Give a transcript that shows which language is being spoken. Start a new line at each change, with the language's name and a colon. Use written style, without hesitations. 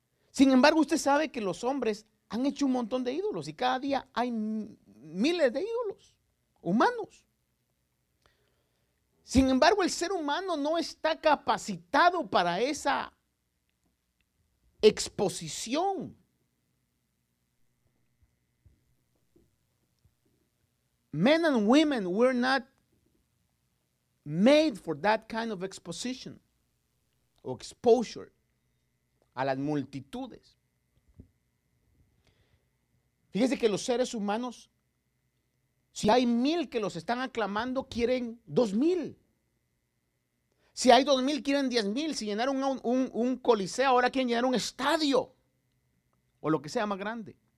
Spanish: Sin embargo, usted sabe que los hombres han hecho un montón de ídolos y cada día hay miles de ídolos humanos. Sin embargo, el ser humano no está capacitado para esa exposición.
English: Men and women, we're not made for that kind of exposition or exposure
Spanish: a las multitudes. Fíjese que los seres humanos, si hay 1,000 que los están aclamando, quieren 2,000. Si hay 2,000, quieren 10,000. Si llenaron un coliseo, ahora quieren llenar un estadio o lo que sea más grande.